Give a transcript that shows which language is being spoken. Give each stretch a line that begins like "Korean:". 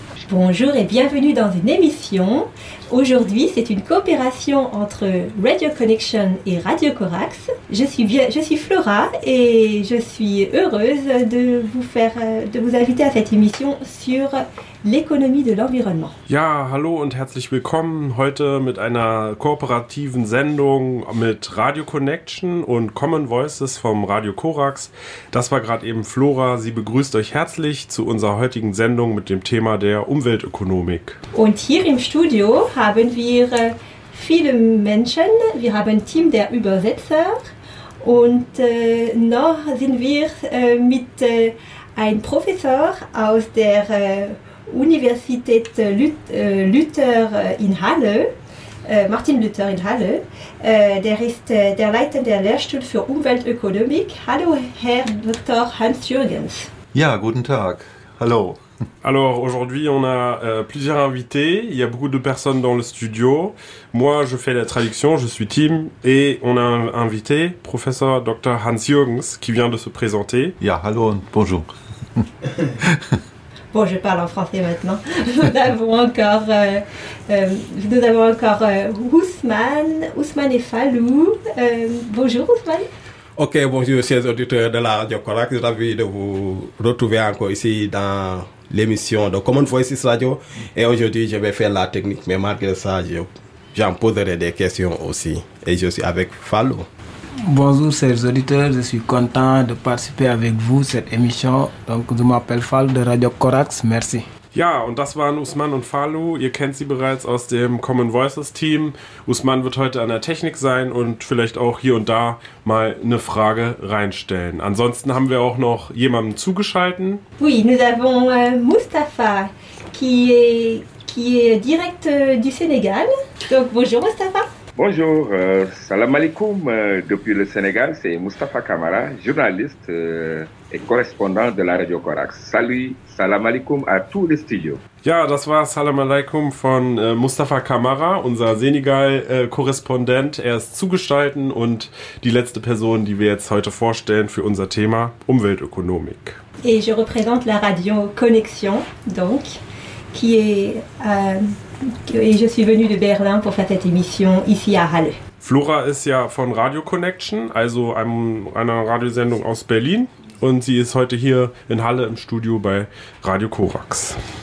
French: Bonjour et bienvenue dans une émission. Aujourd'hui, c'est une coopération entre Radio Connection et Radio Corax. Je suis Flora et je suis heureuse de vous inviter à cette émission sur l'économie de l'environnement.
German: Ja, hallo und herzlich willkommen heute mit einer kooperativen Sendung mit Radio Connection und Common Voices vom Radio Corax. Das war gerade eben Flora. Sie begrüßt euch herzlich zu unserer heutigen Sendung mit dem Thema der Umweltökonomik. Und hier im Studio haben wir viele Menschen. Wir haben ein Team der Übersetzer und noch sind wir mit einem Professor aus der Universität Luther in Halle, Martin Luther in Halle, der ist der Leiter der Lehrstuhl für Umweltökonomik. Hallo, Herr Dr. Hans Jürgens. Ja, guten Tag. Hallo.
French: Alors aujourd'hui, on a plusieurs invités, il y a beaucoup de personnes dans le studio. Moi, je fais la traduction, je suis Tim, et on a invité professeur Dr. Hans Jürgens qui vient de se présenter.
German: Ja, hallo,
French: bonjour. Bon, je parle en français maintenant. Nous avons encore Ousmane et Fallou. Bonjour Ousmane. Ok, bonjour chers auditeurs de la Radio Corax, ravi de vous retrouver encore ici dans l'émission de Common Voices Radio. Et aujourd'hui, je vais faire la technique, mais malgré ça, j'en poserai des questions aussi. Et je suis avec Fallou. Bonjour chers auditeurs, je suis content de participer avec vous à cette émission. Donc, je m'appelle Fallou de Radio Corax, merci.
German: Ja, und das waren Ousmane und Fallou. Ihr kennt sie bereits aus dem Common Voices Team. Ousmane wird heute an der Technik sein und vielleicht auch hier und da mal eine Frage reinstellen. Ansonsten haben wir auch noch jemanden zugeschalten.
French: Oui, nous avons Mustapha qui est direct du Sénégal. Donc bonjour Mustapha. Bonjour,
Arabic: salam alaikum
French: depuis le Sénégal, c'est Mustapha Camara, journaliste et correspondant de la Radio Corax. Salut,
Arabic: salam alaikum
French: à tous les studios.
German: Ja, das war
Arabic: Salam alaikum
German: von Mustapha Camara, unser Senegal-Korrespondent. Er ist zugeschaltet und die letzte Person, die wir jetzt heute vorstellen für unser Thema Umweltökonomik.
French: Et je représente la Radio Connexion, donc, qui est... Et je suis venue de Berlin pour faire cette émission ici à Halle.
German: Flora ist ja von Radio Connection, also einer Radiosendung aus Berlin. Und sie ist heute hier in Halle im Studio bei Radio Corax.